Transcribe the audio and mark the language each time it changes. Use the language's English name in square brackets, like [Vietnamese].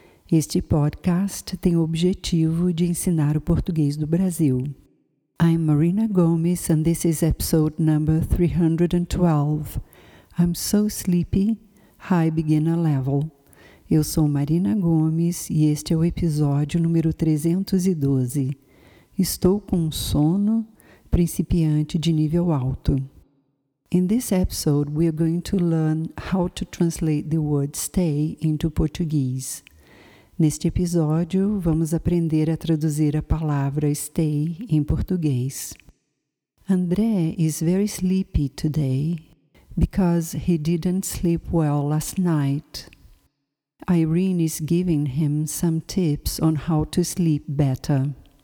[Portuguese] Este podcast tem o objetivo de ensinar o português do Brasil. [English] I'm Marina Gomes and this is episode number 312. I'm so sleepy, high beginner level. [Portuguese] Eu sou Marina Gomes e este é o episódio número 312. Estou com sono, principiante de nível alto. [English] In this episode, we are going to learn how to translate the word stay into Portuguese. [Portuguese] Neste episódio, vamos aprender a traduzir a palavra stay em português. [English] André is very sleepy today because he didn't sleep well last night. Irene is giving him some tips on how to sleep better.